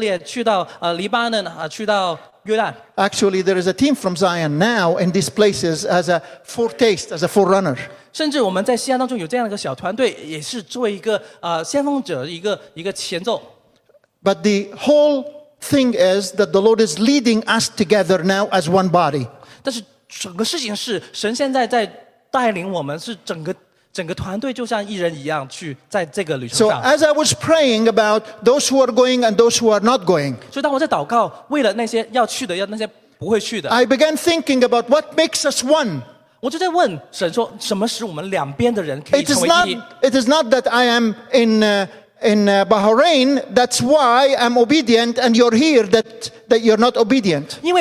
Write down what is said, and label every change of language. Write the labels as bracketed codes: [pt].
[zh] 下个月会有团队去到巴林，去到埃及，去到以色列，去到黎巴嫩，去到约旦。 [en] Actually, there is a team from Zion now in these places as a foretaste, as a forerunner. [zh] 甚至我们在西安当中有这样的一个小团队，也是作为一个先锋者，一个前奏。 [en] But the whole thing is that the Lord is leading us together now as one body. [zh] 但是整个事情是神现在在带领我们，是整个团队就像一人一样去在这个旅程上。 [en] So as I was praying about those who are going and those who are not going, [zh] 所以当我在祷告，为了那些要去的，要那些不会去的。 [en] I began thinking about what makes us one. [zh] 我就在问神说，什么使我们两边的人可以成为一？ [en] It is not that I am in Bahrain, that's why I'm obedient, and you're here that you're not obedient.